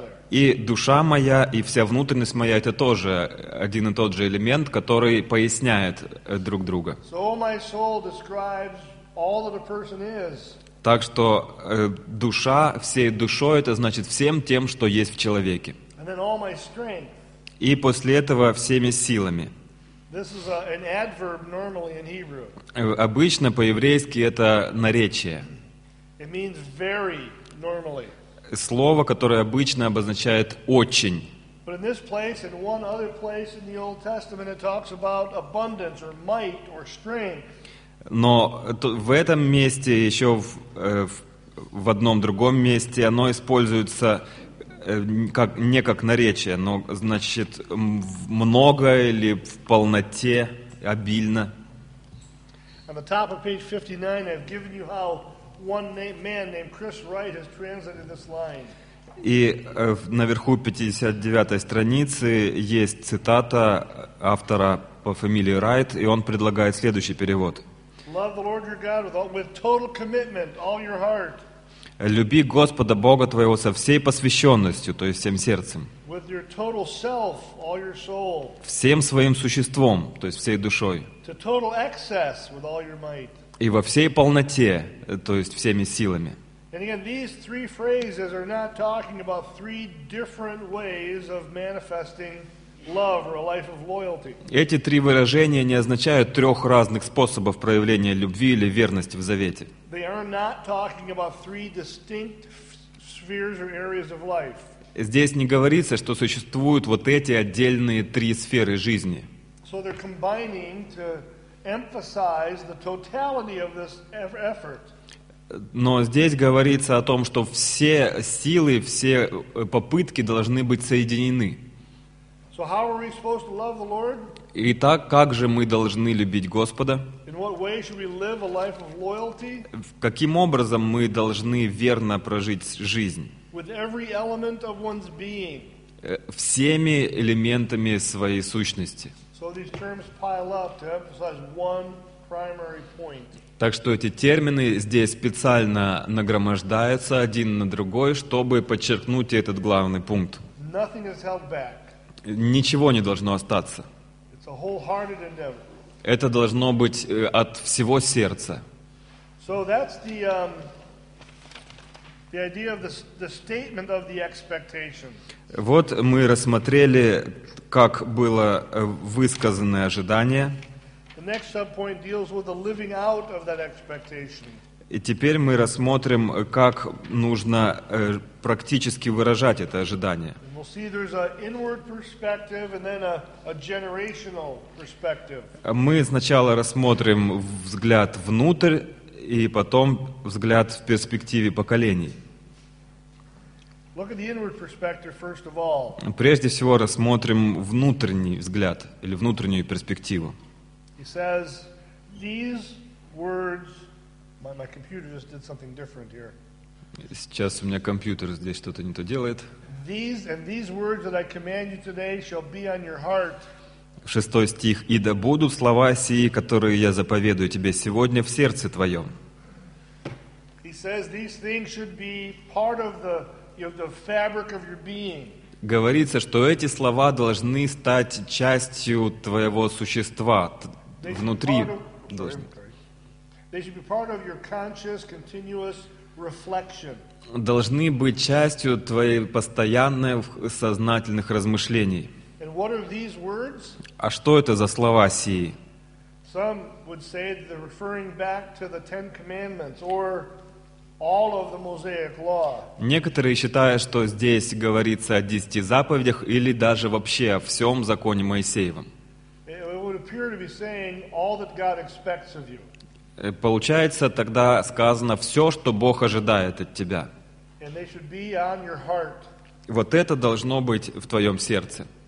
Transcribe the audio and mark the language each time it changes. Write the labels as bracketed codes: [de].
[ru] И душа моя и вся внутренность моя — это тоже один и тот же элемент, который поясняет друг друга. [en] So, oh, my soul describes all that a person is. [ru] Так что душа всей душой — это значит всем тем, что есть в человеке. [en] And then all my strength. [ru] И после этого всеми силами. [en] This is an adverb normally in Hebrew. [ru] Обычно по-еврейски это наречие. [en] It means very normally. [ru] Слово, которое обычно обозначает очень. [en] But in this place and one other place in the Old Testament, it talks about abundance or might or strength. [ru] Но в этом месте еще в одном другом месте оно используется как, не как наречие, но значит много или в полноте, обильно. [en] On the top of page 59, I've given you how one man named Chris Wright has translated this line. [ru] И наверху 59-й страницы есть цитата автора по фамилии Райт, и он предлагает следующий перевод. [en] Love the Lord your God with total commitment, all your heart. [ru] Люби Господа Бога твоего со всей посвященностью, то есть всем сердцем. [en] With your total self, all your soul. [ru] Всем своим существом, то есть всей душой. [en] To total excess, with all your might. [ru] И во всей полноте, то есть всеми силами. [en] And again, these three phrases are not talking about three different ways of manifesting love or a life of loyalty. [ru] Эти три выражения не означают трех разных способов проявления любви или верности в Завете. [en] They are not talking about three distinct spheres or areas of life. [ru] Здесь не говорится, что существуют вот эти отдельные три сферы жизни. [en] So they're combining to emphasize the totality of this effort. [ru] Но здесь говорится о том, что все силы, все попытки должны быть соединены. [en] So how are we supposed to love the Lord? [ru] Итак, как же мы должны любить Господа? [en] In what way should we live a life of loyalty? [ru] Каким образом мы должны верно прожить жизнь? [en] With every element of one's being. [ru] Всеми элементами своей сущности. [en] So these terms pile up to emphasize one primary point. [ru] Так что эти термины здесь специально нагромождаются один на другой, чтобы подчеркнуть этот главный пункт. [en] Nothing is held back. [ru] Ничего не должно остаться. [en] It's a wholehearted endeavor. [ru] Это должно быть от всего сердца. [en] So that's the idea of the statement of the expectation. [ru] Вот мы рассмотрели, как было высказано ожидание. [en] The next subpoint deals with the living out of that expectation. [ru] И теперь мы рассмотрим, как нужно практически выражать это ожидание. [en] We'll see there's an inward perspective and then a generational perspective. [ru] Мы сначала рассмотрим взгляд внутрь и потом взгляд в перспективе поколений. [en] Look at the inward perspective first of all. [ru] Прежде всего рассмотрим внутренний взгляд или внутреннюю перспективу. [en] He says these words. My computer just did something different here. [ru] Сейчас у меня компьютер здесь что-то не то делает. [en] These words that I command you today shall be on your heart. [ru] Шестой стих. И да будут слова сии, которые я заповедую тебе сегодня, в сердце твоем. [en] He says these things should be part of the fabric of your being. [ru] Говорится, что эти слова должны стать частью твоего существа внутри. [en] They should be part of your conscious, continuous reflection. [ru] Должны быть частью твоей постоянной сознательных размышлений. [en] And what are these words? [ru] А что это за слова сии? [en] Some would say that they're referring back to the Ten Commandments or all of the Mosaic Law. [ru] Некоторые считают, что здесь говорится о десяти заповедях или даже вообще о всем законе Моисеевом. [en] It would appear to be saying all that God expects of you. [ru] Получается, тогда сказано все, что Бог ожидает от тебя. [en] And they should be on your heart. [ru] Вот это должно быть в твоем сердце.